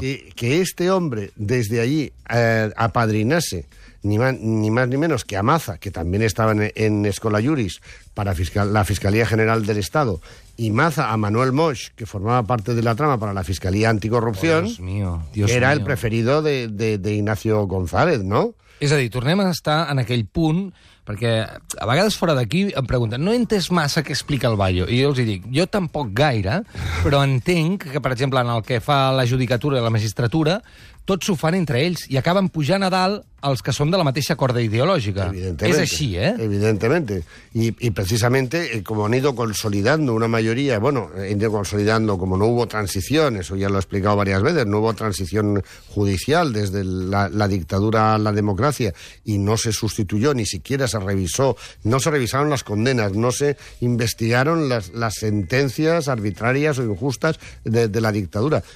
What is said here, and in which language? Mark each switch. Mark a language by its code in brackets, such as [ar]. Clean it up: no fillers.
[es] Que este hombre desde allí apadrinase ni más ni menos que a Maza, que también estaba en Escola Iuris, para la Fiscalía General del Estado, y Maza a Manuel Moix, que formaba parte de la trama para la Fiscalía Anticorrupción, Dios mío, Dios que era mío. El preferido de Ignacio González, ¿no? [ca] És a dir, tornem a estar en aquell punt, perquè a vegades fora d'aquí em pregunten, no entes massa què explica el Bayo? I jo els dic, jo tampoc gaire, però entenc que, per exemple, en el que fa la judicatura i la magistratura, tots ho fan entre ells i acaben pujant a dalt els que són de la mateixa corda ideològica. És així, eh? [es] Evidentemente. [ca] I precisament, com [es] han ido consolidando una majoria, bueno, han ido consolidando, como no hubo transición, eso ya lo he explicado varias veces, no hubo transición judicial desde la dictadura a la democracia y no se sustituyó, ni siquiera se revisó, no se revisaron las condenas, no se investigaron las sentencias arbitrarias o injustas de la dictadura.